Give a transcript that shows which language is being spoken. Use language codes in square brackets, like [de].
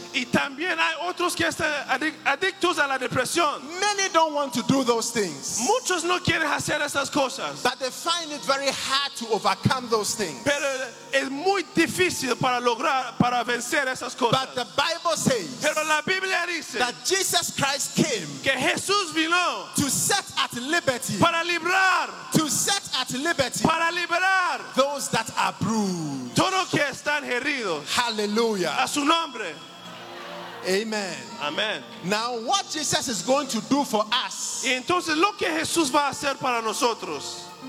[es] Y también hay otros que están adictos a la depresión. [en] Many don't want to do those things. [es] Muchos no quieren hacer esas cosas. [en] But they find it very hard to overcome those things. [es] Pero es muy difícil para lograr para vencer esas cosas. [en] But the Bible says, [es] pero la Biblia dice, [en] that Jesus Christ came, [es] que Jesús vino, [en] to set at liberty, [es] para librar, [en] to set at liberty, [es] para liberar, [en] those that are bruised, [es] todos que están heridos. [en] Hallelujah. [es] A su nombre. [en] Amen. [es] Amen. [en] Now, what Jesus is going to do for us, [es] y entonces lo que Jesús va a hacer para nosotros,